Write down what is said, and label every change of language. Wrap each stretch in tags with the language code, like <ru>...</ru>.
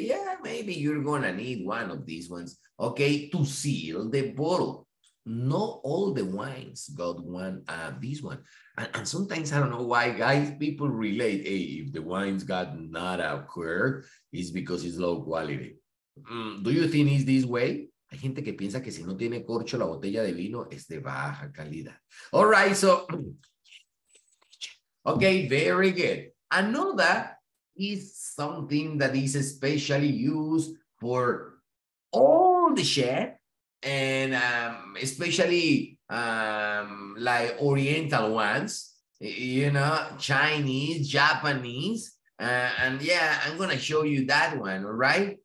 <en>Yeah, maybe you're gonna need one of these ones, okay, to seal the bottle. Not all the wines got one, this one. And sometimes, I don't know why, guys, people relate, hey, if the wine's got not a cork, it's because it's low quality. Do you think it's this way?</en> <es>Hay gente que piensa que si no tiene corcho, la botella de vino es de baja calidad.</es> <en>All right, so, okay, very good. Another is something that is especially used for all the chef, and especially like Oriental ones, you know, Chinese, Japanese, and yeah, I'm gonna show you that one, all right?</en>